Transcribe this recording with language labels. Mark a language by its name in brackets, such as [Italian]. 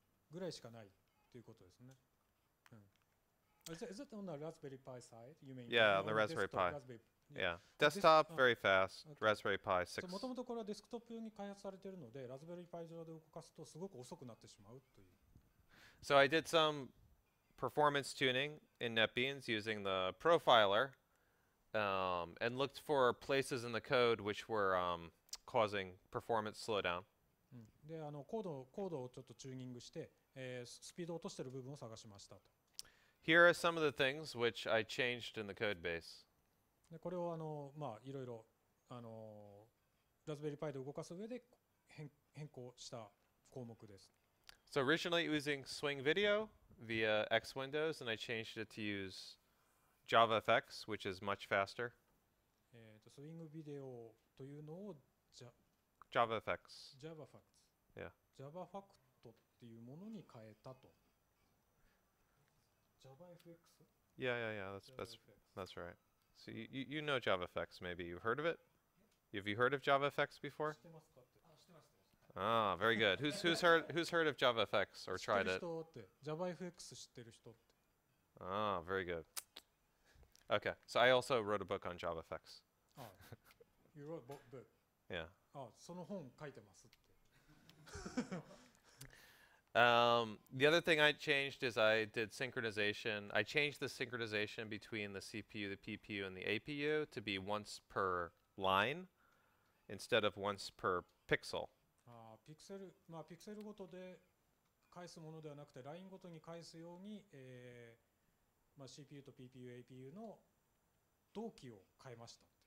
[Japanese] ぐらいしかない。ということですね。うん。 [English] Is it on the Raspberry Pi side? You mean? Yeah, on the Raspberry Pi. Yeah. Desktop, very fast. Raspberry Pi 6. [Japanese] もともとこれはデスクトップ用に開発されているので、Raspberry Pi 上で動かすとすごく遅くなってしまうという。 [English] So I did some performance tuning in NetBeans using the profiler, and looked for places in the code which were causing performance slowdown. [Japanese] で、あのコードをちょっとチューニングして。スピードを落としている部分を探しましたと。 [English] Here are some of the things which I changed in the code base. [Japanese] で、これをあのまあいろいろあのラズベリーパイで動かす上で変更した項目です。 [English] So originally using Swing Video via X Windows, and I changed it to use JavaFX, which is much faster. [Japanese] Swing Video というのを JavaFX。 JavaFX。 [English] Yeah。 [Japanese] JavaFX。っていうものに変えたと。 [English] JavaFX? Yeah, yeah, yeah. That's right. So you know JavaFX? Maybe you've heard of it. Have you heard of JavaFX before? [Japanese] 知ってますかって。あ、知ってます。 [English] Ah, very good. Who's heard of JavaFX or tried it? [Japanese] 知ってる人って。JavaFX 知ってる人って。 [English] Ah, very good. Okay. So I also wrote a book on JavaFX. You wrote a book. Yeah. [Japanese] あ、その本書いてますって。 [English] The other thing I changed is I did synchronization. I changed the synchronization between the CPU, the PPU, and the APU to be once per line instead of once per pixel. [Japanese] Pixel, まあ pixel ごとで返すものではなくてラインごとに返すように、まあ CPU と PPU、APU の同期を変えました。